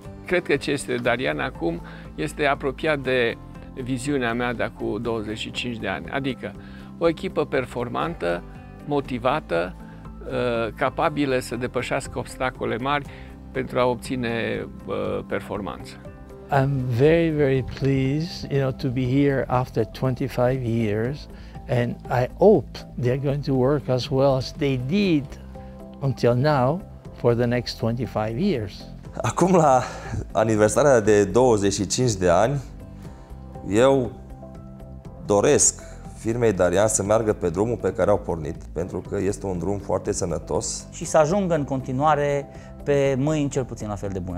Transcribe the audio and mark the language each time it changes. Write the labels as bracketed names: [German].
[Romanian] Cred că ce este Darian acum este apropiat de viziunea mea de acum 25 de ani. Adică o echipă performantă, motivată, capabilă să depășească obstacole mari pentru a obține performanță. [English] I'm very, very pleased, you know, to be here after 25 years, and I hope they're going to work as well as they did until now for the next 25 years. [Romanian] Acum la aniversarea de 25 de ani, eu doresc firmei Darian să meargă pe drumul pe care au pornit, pentru că este un drum foarte sănătos. Și să ajungă în continuare pe mâini cel puțin la fel de bune.